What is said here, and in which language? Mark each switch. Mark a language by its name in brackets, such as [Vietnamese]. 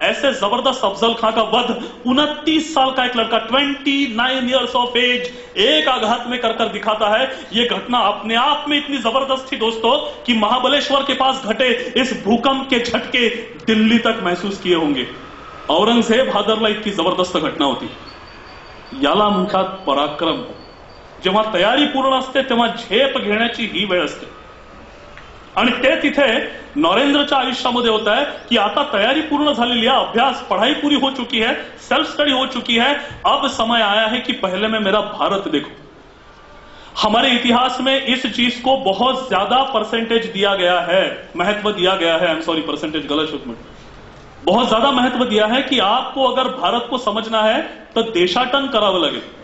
[Hindi] ऐसे जबरदस्त अफजल खान का वध 29 साल का एक लड़का 29 [English] years of age [Hindi] एक आघात में कर दिखाता है. ये घटना अपने आप में इतनी जबरदस्त थी दोस्तों कि महाबलेश्वर के पास घटे इस भूकंप के झटके दिल्ली तक महसूस किए होंगे. [Marathi] औरंगजेब हादरला [Hindi] इतनी जबरदस्त घटना होती. [Marathi] याला म्हणतात पराक्रम. जेव्हा तयारी पूर्ण असते तेव्हा झेप घेण्याची ही वेळ असते. आणि ते तिथे नरेंद्रच्या आयुष्यामध्ये होत आहे की आता तयारी पूर्ण झालेली आहे. [Hindi] अभ्यास पढाई पूरी हो चुकी है. सेल्फ स्टडी हो चुकी है. अब समय आया है कि पहले मैं मेरा भारत देखू. हमारे इतिहास में इस चीज को बहुत ज्यादा परसेंटेज दिया गया है महत्व दिया गया है. आई एम सॉरी परसेंटेज गलत शब्द में. बहुत ज्यादा महत्व दिया है कि आपको अगर भारत को समझना है तो देशाटन करावे लगे.